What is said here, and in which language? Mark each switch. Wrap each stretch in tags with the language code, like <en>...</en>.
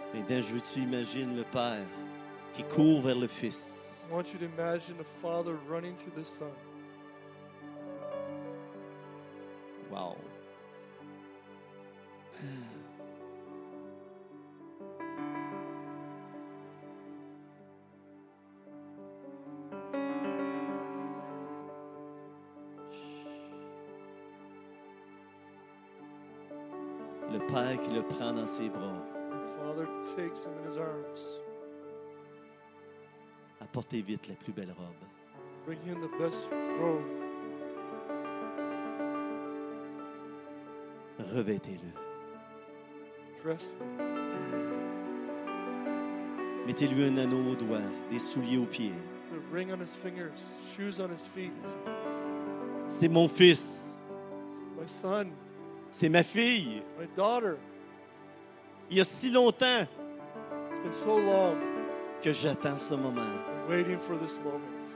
<fr>Bien, je veux que tu imagines le Père qui court vers le Fils.</fr> <en>I want you to imagine the Father running to the Son. Wow.</en> <fr>Le Père qui le prend dans ses bras.</fr> <en>Father takes him in his arms.</en> <fr>Apportez vite la plus belle robe.</fr> <en>Bring him the best robe.</en> <fr>Revêtez-le.</fr> <en>Dress him.</en> <fr>Mettez-lui un anneau au doigt, des souliers aux pieds.</fr> <en>A ring on his fingers, shoes on his feet.</en> <fr>C'est mon fils.</fr> <en>It's my son.</en> <fr>C'est ma fille.</fr> <en>My daughter.</en> <fr>Il y a si longtemps,</fr> <en>it's been so long,</en> <fr>que j'attends ce moment.</fr> <en>I'm waiting for this moment.</en>